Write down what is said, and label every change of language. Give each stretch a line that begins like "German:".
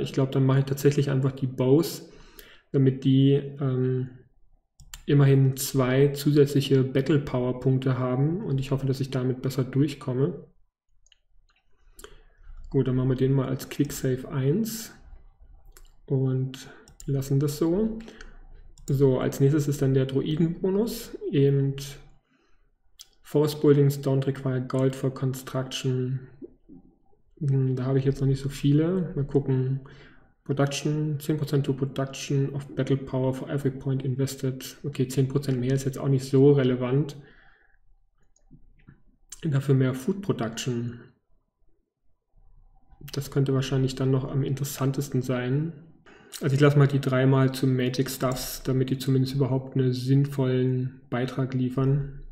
German: Ich glaube, dann mache ich tatsächlich einfach die Bows, damit die immerhin 2 zusätzliche Battle Power Punkte haben. Und ich hoffe, dass ich damit besser durchkomme. Gut, dann machen wir den mal als Quick Save 1 und lassen das so. So, als nächstes ist dann der Druidenbonus.
English: Eben Forest Buildings don't require gold for construction.
German: Da habe ich jetzt noch nicht so viele. Mal gucken.
English: Production, 10% to production of battle power for every point invested.
German: Okay, 10% mehr ist jetzt auch nicht so relevant. Dafür mehr Food Production. Das könnte wahrscheinlich dann noch am interessantesten sein. Also ich lasse mal die dreimal zu Magic Stuffs, damit die zumindest überhaupt einen sinnvollen Beitrag liefern.